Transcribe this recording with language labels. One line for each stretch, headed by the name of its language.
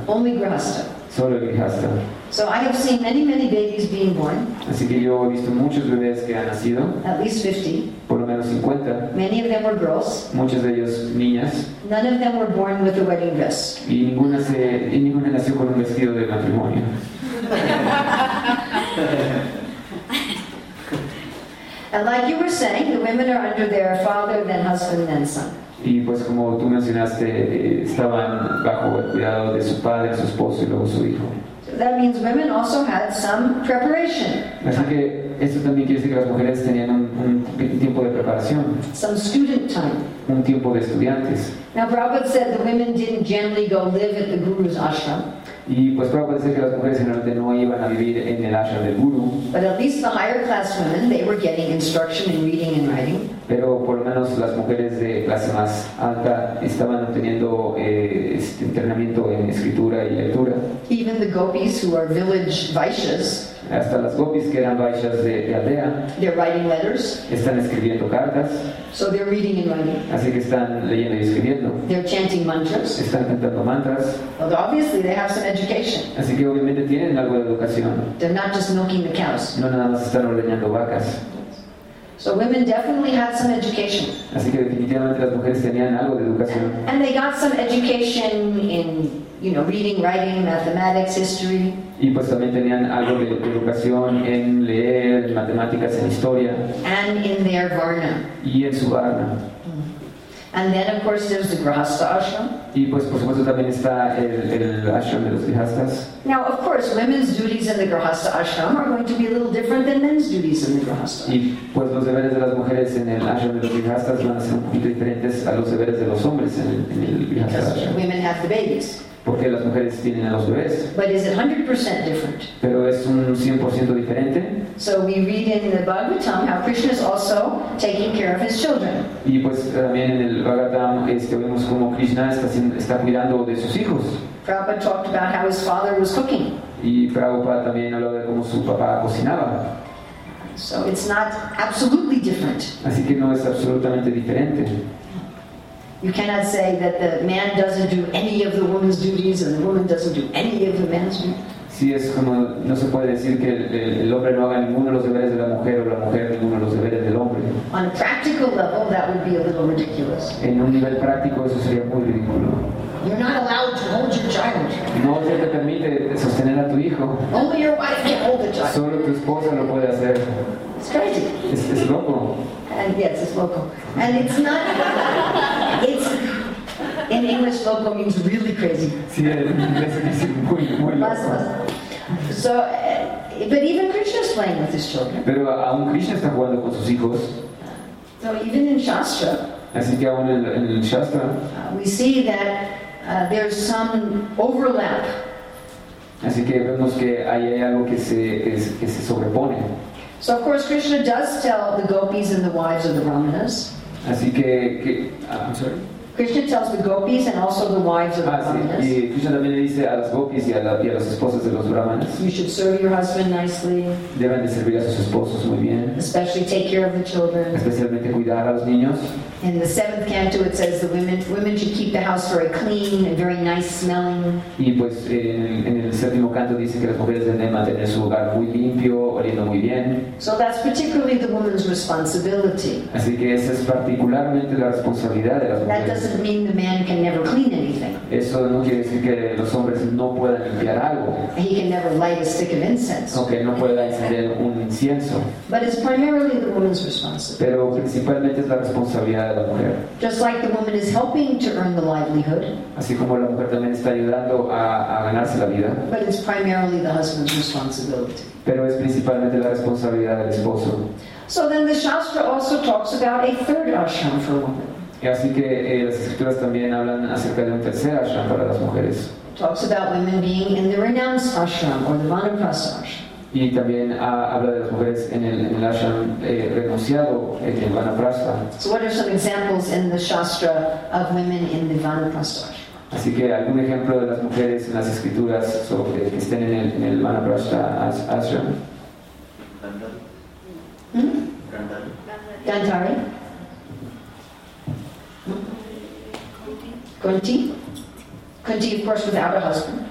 English: Only grihastha.
Spanish: Solo el grihastha.
English: So I have seen many, many babies being born.
Spanish: Así que yo he visto muchos bebés que han nacido.
English: At least 50.
Spanish: Por lo menos 50.
English: Many of them were girls.
Spanish: Muchas de ellas niñas.
English: None of them were born with a wedding dress.
Spanish: Y ninguna se, y ninguna nació con un vestido de matrimonio.
English: And like you were saying, the women are under their father, then husband, then son.
Spanish: Y pues como tú mencionaste, estaban bajo el cuidado de su padre, su esposo y luego su hijo.
English: So that means women also had some preparation.
Spanish: Así que esto también quiere decir que las mujeres tenían un tiempo de preparación.
English: Some student time.
Spanish: Un tiempo de estudiantes.
English: Now Prabhupada said the women didn't generally go live at the guru's ashram.
Spanish: Y pues Prabhupada dice que las mujeres generalmente no iban a vivir en el ashram del guru.
English: But at least the higher class women, they were getting instruction in reading and writing.
Spanish: Pero por lo menos las mujeres de clase más alta estaban obteniendo entrenamiento en escritura y lectura.
English: Even the gopis who are village vaishyas.
Spanish: Hasta las gopis que eran vaishyas de aldea.
English: They're writing letters.
Spanish: Están escribiendo cartas.
English: So they're reading and writing.
Spanish: Así que están leyendo y escribiendo.
English: They're chanting mantras.
Spanish: Están cantando mantras.
English: Well, obviously they have some education.
Spanish: Así que obviamente tienen algo de educación.
English: They're not just milking the cows.
Spanish: No nada más están ordeñando vacas.
English: So women definitely had some education.
Spanish: Así que definitivamente las mujeres tenían algo de educación.
English: And they got some education in, you know, reading, writing, mathematics, history.
Spanish: Y pues también tenían algo de educación en leer, en matemáticas, en historia.
English: And in their varna.
Spanish: Y en su varna.
English: And then of course there's the grihastha ashram.
Spanish: Y pues por supuesto también está el ashram de los grihastas.
English: Now of course women's duties in the grihastha ashram are going to be a little different than men's duties in the grihastha.
Spanish: Y pues los deberes de las mujeres en el ashram de los grihastas van a ser un poquito diferentes a los deberes de los hombres en el grihastha ashram.
English: Women have the babies.
Spanish: Porque las mujeres tienen a los bebés.
English: But is it 100% different?
Spanish: Pero es un 100% diferente.
English: So we read in the Bhagavatam how Krishna is also taking care of his children.
Spanish: Y pues también en el Bhagavatam vemos cómo Krishna está cuidando de sus hijos.
English: Prabhupada talked about how his father was cooking.
Spanish: Y Prabhupada también habló de cómo su papá cocinaba.
English: So it's not absolutely different.
Spanish: Así que no es absolutamente diferente.
English: You cannot say that the man doesn't do any of the woman's duties and the woman doesn't do any of the man's duties.
Spanish: Sí, es como no se puede decir que el hombre no haga ninguno de los deberes de la mujer o la mujer ninguno de los deberes del hombre.
English: On a practical level, that would be a little ridiculous.
Spanish: En un nivel práctico, eso sería muy ridículo.
English: You're not allowed to hold your child.
Spanish: No se te permite sostener a tu hijo.
English: Only your wife can hold the child.
Spanish: Solo tu esposa lo puede hacer.
English: It's crazy.
Spanish: Es loco.
English: And yes, it's loco. And it's not. It's in English, loco means really crazy.
Spanish: Sí, en inglés es muy, muy loco.
English: So, but even Krishna is playing with his children.
Spanish: Pero aún Krishna está jugando con sus hijos.
English: So even in Shastra.
Spanish: Así que aún en el Shastra.
English: We see that there's some overlap.
Spanish: Así que vemos que ahí hay algo que se sobrepone.
English: So of course Krishna does tell the gopis and the wives of the brahmanas.
Spanish: Así que
English: I'm sorry. Krishna tells the gopis and also the wives of the brahmanas.
Spanish: Sí. Y Krishna también le dice a las gopis y a las esposas de los brahmanas.
English: You should serve your husband nicely.
Spanish: Deben de servir a sus esposos muy bien.
English: Especially take care of the children.
Spanish: Especialmente cuidar a los niños.
English: In the seventh canto, it says the women should keep the house very clean and very nice smelling.
Spanish: Y pues en el séptimo canto dice que las mujeres deben mantener su hogar muy limpio, oliendo muy bien.
English: So that's particularly the woman's responsibility.
Spanish: Así que esa es particularmente la responsabilidad de las mujeres.
English: That doesn't mean the man can never clean anything.
Spanish: Eso no quiere decir que los hombres no puedan limpiar algo.
English: He can never light a stick of incense.
Spanish: Okay, no pueda encender un incienso.
English: But it's primarily the woman's responsibility.
Spanish: Pero principalmente es la responsabilidad.
English: Just like the woman is helping to earn the livelihood.
Spanish: Así como la mujer también está ayudando a ganarse la vida.
English: But it's primarily the husband's responsibility.
Spanish: Pero es principalmente la responsabilidad del esposo.
English: So then the Shastra also talks about a third ashram for women.
Spanish: Y así que las escrituras también hablan acerca de un tercer ashram para las mujeres.
English: Talks about women being in the renounced ashram or the vanaprastha ashram.
Spanish: Y también habla de las mujeres en el ashram renunciado, en el vanaprastha.
English: So what are some examples in the Shastra of women in the vanaprastha ashram?
Spanish: Así que algún ejemplo de las mujeres en las escrituras sobre que estén en el vanaprastha ashram.
English: Gandhari. Kunti. Kunti, of course, without a husband.